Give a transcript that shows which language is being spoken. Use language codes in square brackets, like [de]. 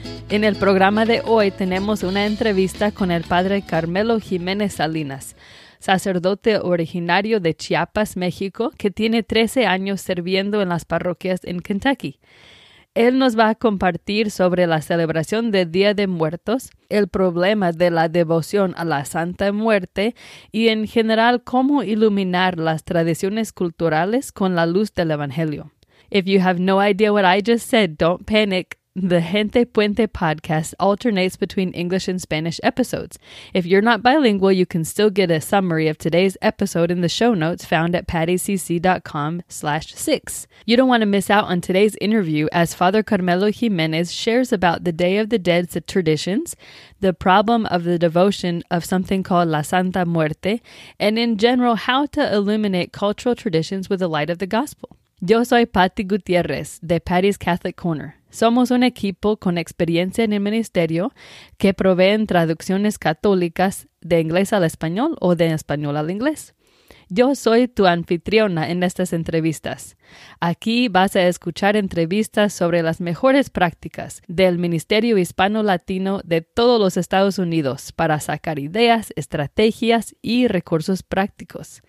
[es] En el programa de hoy tenemos una entrevista con el padre Carmelo Jiménez Salinas, sacerdote originario de Chiapas, México, que tiene 13 años sirviendo en las parroquias en Kentucky. Él nos va a compartir sobre la celebración del Día de Muertos, el problema de la devoción a la Santa Muerte y, en general, cómo iluminar las tradiciones culturales con la luz del Evangelio. [en] If you have no idea what I just said, don't panic. The Gente Puente podcast alternates between English and Spanish episodes. If you're not bilingual, you can still get a summary of today's episode in the show notes found at pattycc.com/6. You don't want to miss out on today's interview as Father Carmelo Jiménez shares about the Day of the Dead's traditions, the problem of the devotion of something called La Santa Muerte, and in general, how to illuminate cultural traditions with the light of the gospel. [es] Yo soy Patty Gutierrez de Patty's Catholic Corner. Somos un equipo con experiencia en el ministerio que proveen traducciones católicas de inglés al español o de español al inglés. Yo soy tu anfitriona en estas entrevistas. Aquí vas a escuchar entrevistas sobre las mejores prácticas del Ministerio Hispano-Latino de todos los Estados Unidos para sacar ideas, estrategias y recursos prácticos.